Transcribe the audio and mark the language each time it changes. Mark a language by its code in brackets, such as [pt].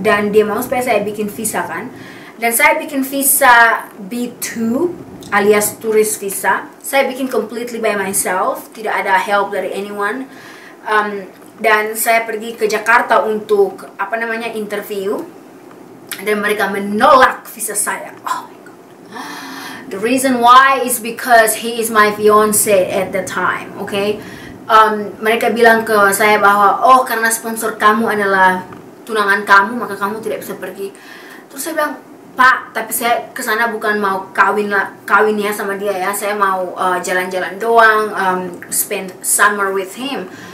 [id] Dan dia mau supaya saya bikin visa kan. Dan saya bikin visa B2 alias turis visa. Saya bikin [en] completely by myself. [id] Tidak ada help dari anyone. Dan saya pergi ke Jakarta untuk apa namanya interview. Dan mereka menolak visa saya. [en] Oh my god. The reason why is because he is my fiance at the time, okay? [id] Mereka bilang ke saya bahwa oh, karena sponsor kamu adalah tunangan kamu, maka kamu tidak bisa pergi. Terus saya bilang, "Pak, tapi saya kesana bukan mau kawin ya sama dia ya. Saya mau jalan-jalan doang, [en] spend summer with him."